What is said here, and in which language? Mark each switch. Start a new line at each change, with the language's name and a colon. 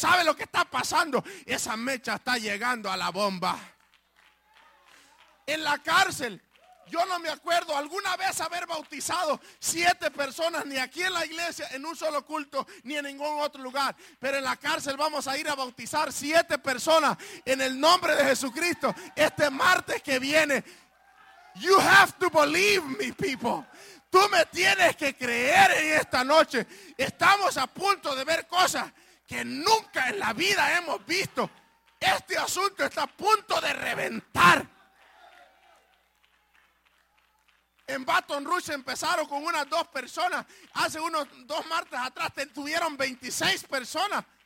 Spanish: ¿Sabe lo que está pasando? Esa mecha está llegando a la bomba. En la cárcel. Yo no me acuerdo alguna vez haber bautizado 7 personas, ni aquí en la iglesia, en un solo culto, ni en ningún otro lugar. Pero en la cárcel vamos a ir a bautizar 7 personas en el nombre de Jesucristo este martes que viene.
English: You have to believe me, people.
Spanish: Tú me tienes que creer en esta noche. Estamos a punto de ver cosas que nunca en la vida hemos visto. Este asunto está a punto de reventar. En Baton Rouge empezaron con unas 2 personas. Hace unos 2 martes atrás tuvieron 26 personas.